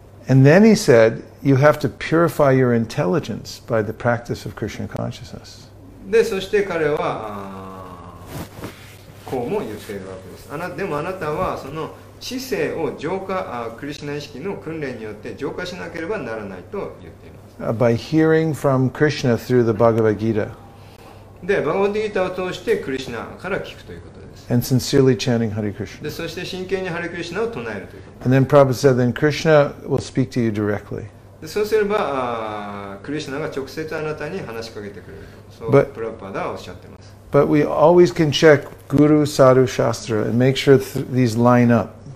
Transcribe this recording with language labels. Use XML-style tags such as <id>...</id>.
<en>And then he said, you have to purify your intelligence by the practice of Krishna consciousness.</en> <ja>で、そして彼は、こうも言っているわけです。でもあなたはその知性を浄化、クリシュナ意識の訓練によって浄化しなければならないと言っています。</ja> <en>By hearing from Krishna through the Bhagavad Gita.</en> <ja>で、バガヴァッド・ギータを通してクリシュナから聞くということ。</ja> <en>And sincerely chanting Hare Krishna.</en> <ja>で、そして真剣にハリクリシュナを唱えるということ。</ja> <en>And then Prabhupada said, then Krishna will speak to you directly.</en> <ja>で、そうすれば、クリシュナが直接あなたに話しかけてくれる。そう、プラッパーダはおっしゃってます。</ja> <en>But we always can check Guru, Sadhu, Shastra and make sure these line up.</en>